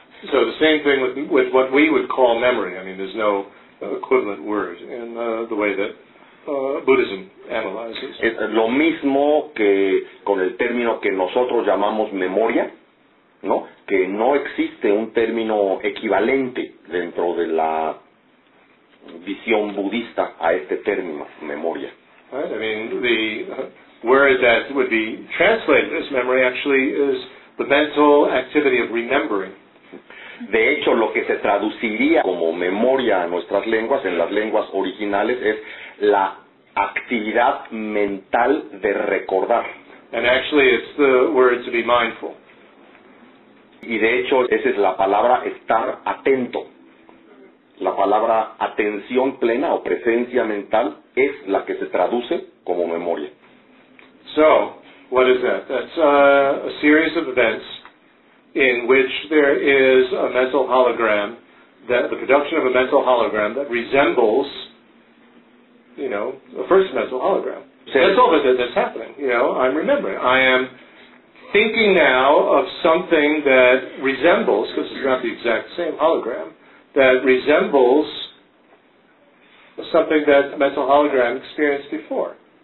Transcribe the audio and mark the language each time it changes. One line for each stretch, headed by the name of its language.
English: So the same thing with what we would call memory. There's no equivalent word in the way that Buddhism analyzes.
Spanish: Es lo mismo que con el término que nosotros llamamos memoria, ¿no? Que no existe un término equivalente dentro de la visión budista a este término, memoria.
English: Right? The word that would be translated as memory actually is the mental activity of remembering.
Spanish: De hecho, lo que se traduciría como memoria en nuestras lenguas, en las lenguas originales, es la actividad mental de recordar.
English: And actually, it's the word to be mindful.
Spanish: Y de hecho, esa es la palabra estar atento. La palabra atención plena o presencia mental es la que se traduce como memoria.
English: So, what is that? That's a series of events in which there is a mental hologram, that the production of a mental hologram that resembles, the first mental hologram. That's all that's happening. I'm remembering. I am thinking now of something that resembles, because it's not the exact same hologram, that resembles something that mental hologram experienced before.